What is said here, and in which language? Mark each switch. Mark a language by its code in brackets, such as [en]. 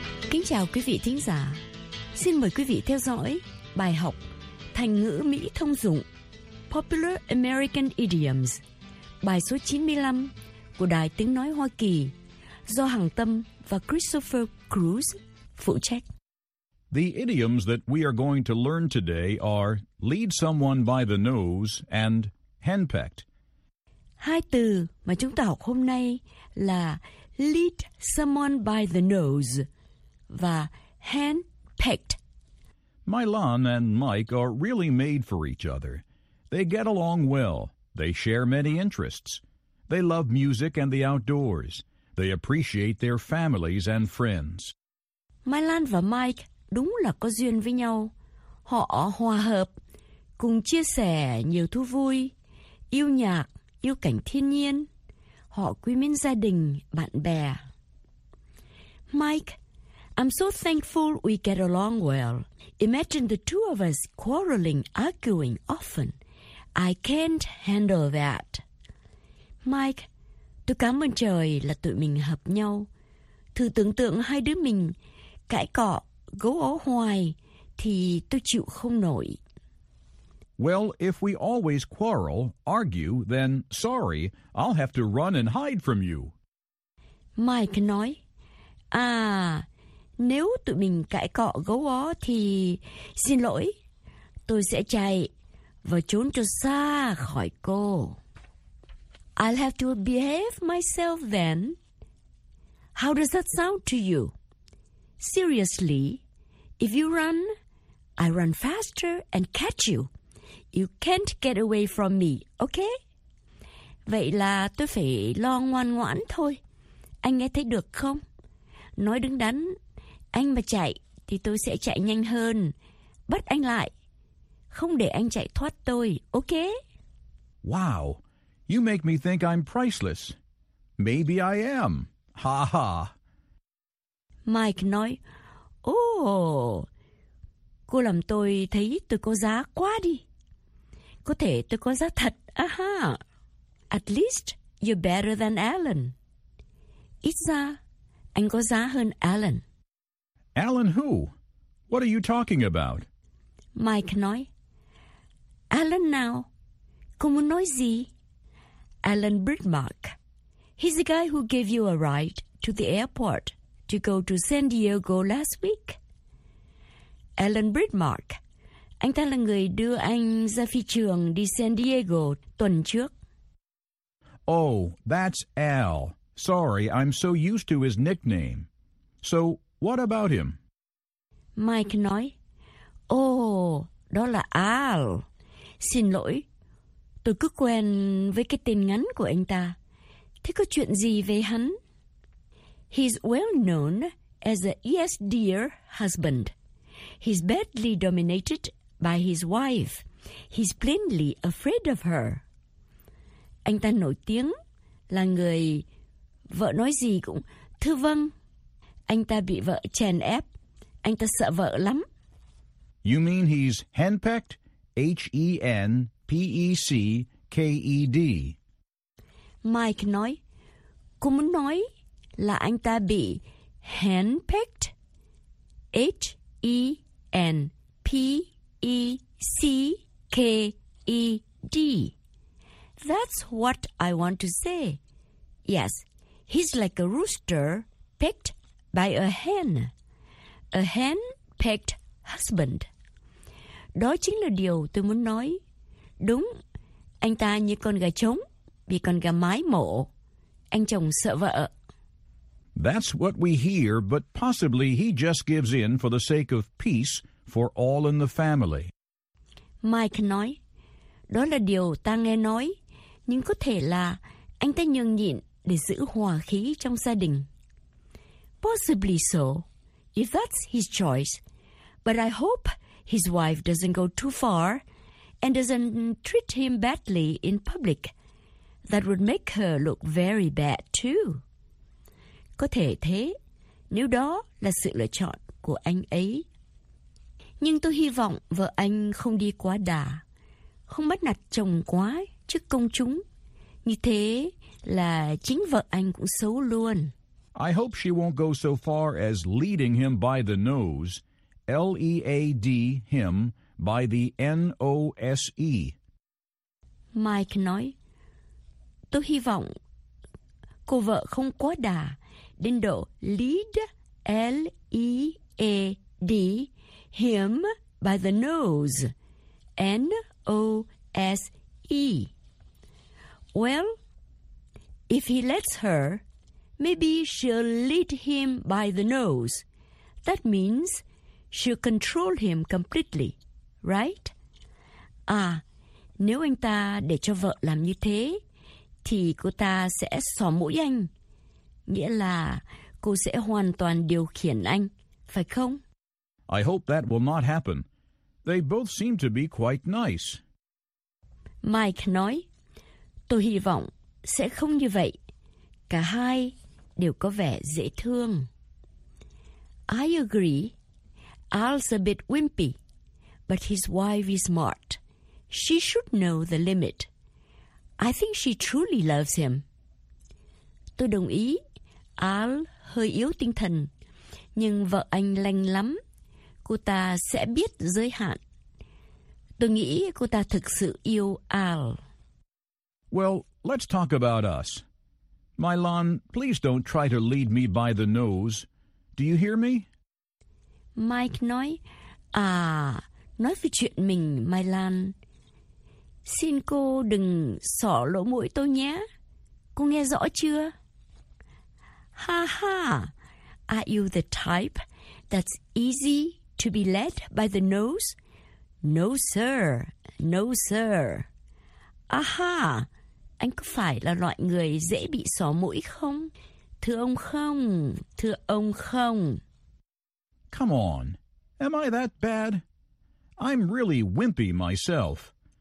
[vi] Kính chào quý vị thính giả. Xin mời quý vị theo dõi bài học Thành ngữ Mỹ thông dụng, [en] Popular American Idioms, [vi] bài số 95 của Đài Tiếng Nói Hoa Kỳ, do Hằng Tâm và Christopher Cruz phụ trách. [en] The idioms that we are going to learn today are lead someone by the nose and henpecked. [vi] Hai từ mà chúng ta học hôm nay là [en] lead someone by the nose [vi] và henpecked. [en] Milan and Mike are really made for each other. They get along well. They share many interests. They love music and the outdoors. They appreciate their families and friends. [vi] Milan và Mike đúng là có duyên với nhau. Họ hòa hợp, cùng chia sẻ nhiều thú vui, yêu nhạc, yêu cảnh thiên nhiên. Họ quý mến gia đình, bạn bè. [en] Mike, I'm so thankful we get along well. Imagine the two of us quarreling, arguing often. I can't handle that. [vi] Mike, tôi cảm ơn trời là tụi mình hợp nhau. Thử tưởng tượng hai đứa mình cãi cọ, gấu ố hoài, thì tôi chịu không nổi. [en] Well, if we always quarrel, argue, then sorry, I'll have to run and hide from you. [vi] Mike nói, à, nếu tụi mình cãi cọ gấu ó thì xin lỗi, tôi sẽ chạy và trốn cho xa khỏi cô. [en] I'll have to behave myself then. How does that sound to you? Seriously, if you run, I run faster and catch you. You can't get away from me, okay? [vi] Vậy là tôi phải lo ngoan ngoãn thôi. Anh nghe thấy được không? Nói đứng đắn, anh mà chạy thì tôi sẽ chạy nhanh hơn, bắt anh lại, không để anh chạy thoát tôi, okay? [en] Wow, you make me think I'm priceless. Maybe I am. Ha ha. [vi] Mike nói, oh, cô làm tôi thấy tôi có giá quá đi. Có thể tôi có giá thật, aha. [en] At least you're better than Alan. [vi] Ít ra, anh có giá hơn Alan. [en] Alan who? What are you talking about? [vi] Mike nói, Alan now. Cô muốn nói gì? [en] Alan Bridmark. He's the guy who gave you a ride to the airport to go to San Diego last week. Alan Bridmark. [vi] Anh ta là người đưa anh ra phi trường đi San Diego tuần trước. [en] Oh, that's Al. Sorry, I'm so used to his nickname. So, what about him? [vi] Mike nói, oh, đó là Al. Xin lỗi, tôi cứ quen với cái tên ngắn của anh ta. Thế có chuyện gì về hắn? [en] He's well known as a yes dear husband. He's badly dominated by his wife. He's plainly afraid of her. [vi] Anh ta nổi tiếng là người vợ nói gì cũng thư vâng. Anh ta bị vợ chèn ép. Anh ta sợ vợ lắm. [en] You mean he's henpecked? H-E-N-P-E-C-K-E-D. [vi] Mike nói, cô muốn nói là anh ta bị henpecked? H-E-N-P-E-C-K-E-D. [en] That's what I want to say. Yes, he's like a rooster pecked by a hen. A henpecked husband. [vi] Đó chính là điều tôi muốn nói. Đúng, anh ta như con gà trống, bị con gà mái mổ. Anh chồng sợ vợ. [en] That's what we hear, but possibly he just gives in for the sake of peace for all in the family. [vi] Mike nói, đó là điều ta nghe nói, nhưng có thể là anh ta nhường nhịn để giữ hòa khí trong gia đình. [en] Possibly so, if that's his choice. But I hope his wife doesn't go too far and doesn't treat him badly in public. That would make her look very bad too. [vi] Có thể thế, nếu đó là sự lựa chọn của anh ấy. Nhưng tôi hy vọng vợ anh không đi quá đà, không bắt nạt chồng quá trước công chúng. Như thế là chính vợ anh cũng xấu luôn. [en] I hope she won't go so far as leading him by the nose. L-E-A-D him by the N-O-S-E. [vi] Mike nói, tôi hy vọng cô vợ không quá đà đến độ [en] lead, L-E-A-D, him by the nose, N-O-S-E. Well, if he lets her, maybe she'll lead him by the nose. That means she'll control him completely, right? [vi] À, nếu anh ta để cho vợ làm như thế, thì cô ta sẽ xỏ mũi anh. Nghĩa là cô sẽ hoàn toàn điều khiển anh, phải không? [en] I hope that will not happen. They both seem to be quite nice. [vi] Mike nói, tôi hy vọng sẽ không như vậy. Cả hai đều có vẻ dễ thương. [en] I agree. Al's a bit wimpy, but his wife is smart. She should know the limit. I think she truly loves him. [vi] Tôi đồng ý. Al hơi yếu tinh thần, nhưng vợ anh lành lắm. Cô ta sẽ biết giới hạn. Tôi nghĩ cô ta thực sự yêu Al. [en] Well, let's talk about us. Mylon, please don't try to lead me by the nose. Do you hear me? [vi] Mike nói, à, nói về chuyện mình, Mylon. Xin cô đừng xỏ lỗ mũi tôi nhé. Cô nghe rõ chưa? [en] Ha ha, are you the type that's easy to be led by the nose? No, sir. No, sir. [vi] Aha, anh có phải là loại người dễ bị xỏ mũi không? Thưa ông không, thưa ông không. [en] Come on, am I that bad? I'm really wimpy myself.